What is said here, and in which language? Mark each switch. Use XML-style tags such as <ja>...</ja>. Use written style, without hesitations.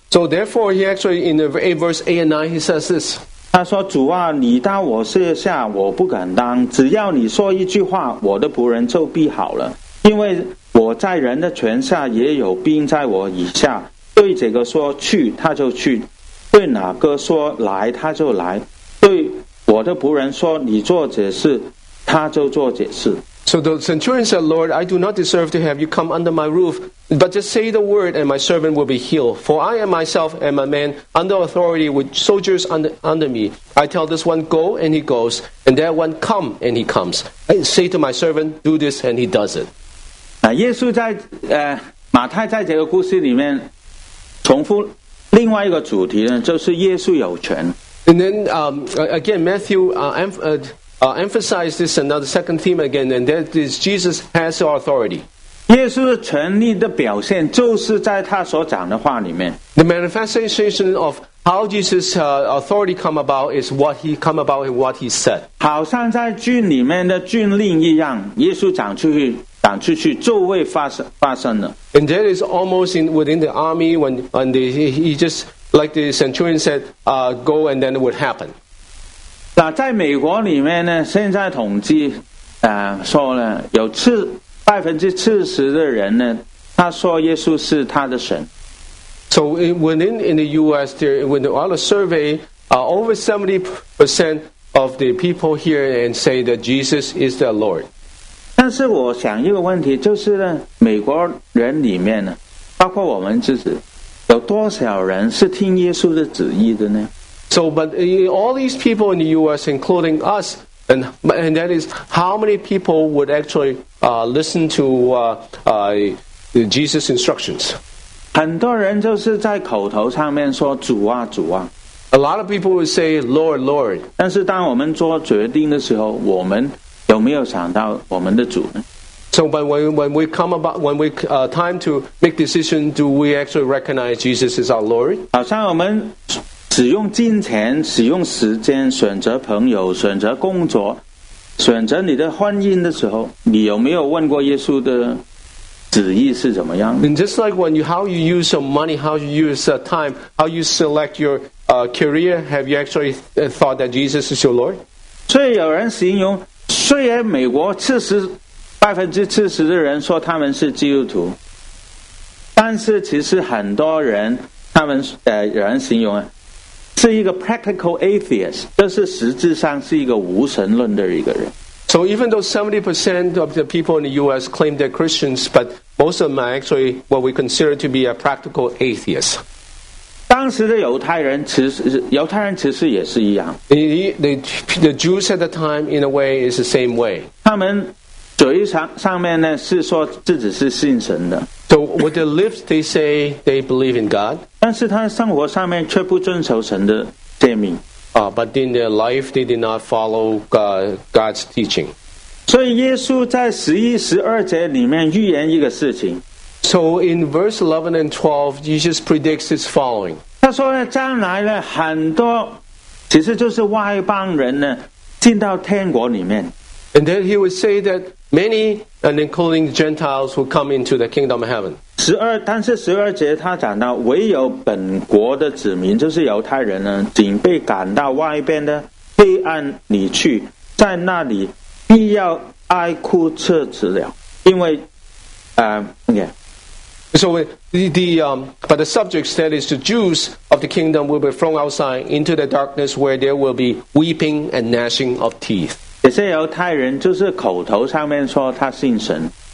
<en>So therefore, he actually in verse 8 and 9, he says this.</en> <zh>他说：“主啊，你到我舍下，我不敢当。只要你说一句话，我的仆人就必好了。” 因为我在人的权下也有兵在我以下，对这个说去他就去，对哪个说来他就来，对我的仆人说你做这事他就做这事。</zh> <en>So the centurion said, Lord, I do not deserve to have you come under my roof, but just say the word and my servant will be healed. For I am myself am a man under authority with soldiers under me. I tell this one go and he goes, and that one come and he comes. I say to my servant do this and he does it.</en> <zh>耶稣在马太在这个故事里面重复另外一个主题呢，就是耶稣有权。</zh> <en>And then again, Matthew emphasized this another second theme again, and that is Jesus has authority.</en> <zh>耶稣的权力的表现就是在他所讲的话里面。</zh> <en>The manifestation of How Jesus' authority come about is what he come about and what he said.</en> <zh>好像在郡里面的郡令一样，耶稣长出去。</zh> <en>And that is almost in, within the army when the, he just, like the centurion said, go and then it would happen.</en> <zh>在美国里面呢，现在统计，说呢，有70%的人呢，他说耶稣是他的神。</zh> <en>So within in the U.S., there, with the other survey, over 70% of the people here and say that Jesus is their Lord.</en> <zh>但是我想一个问题，就是呢，美国人里面呢，包括我们自己，有多少人是听耶稣的旨意的呢</zh> <en>？So, but all these people in the U.S., including us, and that is how many people would actually listen to Jesus' instructions?</en> <zh>很多人就是在口头上面说主啊主啊。</zh> <en>A lot of people would say Lord, Lord.</en> <zh>但是当我们做决定的时候，我们有没有想到我们的主呢</zh> <en>？So, but when we come about when we time to make decision, do we actually recognize Jesus as our Lord?</en> <zh>好像我们使用金钱、使用时间、选择朋友、选择工作、选择你的婚姻的时候，你有没有问过耶稣的旨意是怎么样</zh> <en>？And just like when you how you use your money, how you use your time, how you select your career, have you actually thought that Jesus is your Lord?</en> <zh>所以有人形容。虽然美国70%的人说他们是基督徒，但是其实很多人他们有人形容是一个</zh> <en>practical atheist，</en> <zh>就是实质上是一个无神论的一个人。</zh> <en>So even though 70% of the people in the U.S. claim they're Christians, but most of them are actually what we consider to be a practical atheist.</en> <zh>当时的犹太人其实也是一样。</zh> <en>The Jews at the time, in a way, is the same way.</en> <zh>他们嘴上面呢是说自己是信神的。</zh> <en>So with their lips, they say they believe in God.</en> <zh>但是他生活上面却不遵守神的诫命。</zh> <en>But in their life, they did not follow God's teaching.</en> <zh>所以耶稣在11-12节里面预言一个事情。</zh> <en>So in verse 11 and 12, Jesus predicts his following.</en> <zh>他说呢，将来呢，很多其实就是外邦人呢，进到天国里面。</zh> <en>And then he would say that many, and including Gentiles, would come into the kingdom of heaven.</en> <zh>但是十二节他讲到，唯有本国的子民，就是犹太人呢，仅被赶到外边的黑暗里去，在那里必要哀哭切齿了，因为。</zh> <en>So but the subjects that is the Jews of the kingdom will be thrown outside into the darkness where there will be weeping and gnashing of teeth.</en> <zh>也是犹太人，就是口头上面说他信神。</zh>